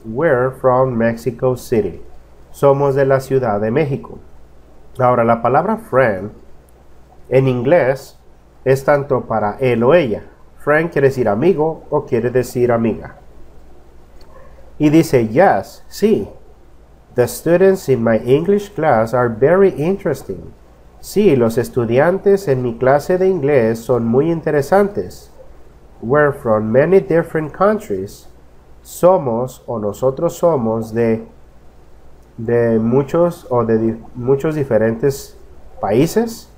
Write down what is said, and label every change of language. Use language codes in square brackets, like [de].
[en] We're from Mexico City. [es] Somos de la Ciudad de México. Ahora, la palabra friend en inglés es tanto para él o ella. Friend quiere decir amigo o quiere decir amiga. Y dice, yes, sí. [en] The students in my English class are very interesting. [es] Sí, los estudiantes en mi clase de inglés son muy interesantes. [en] We're from many different countries. [es] Somos o nosotros somos de muchos diferentes países.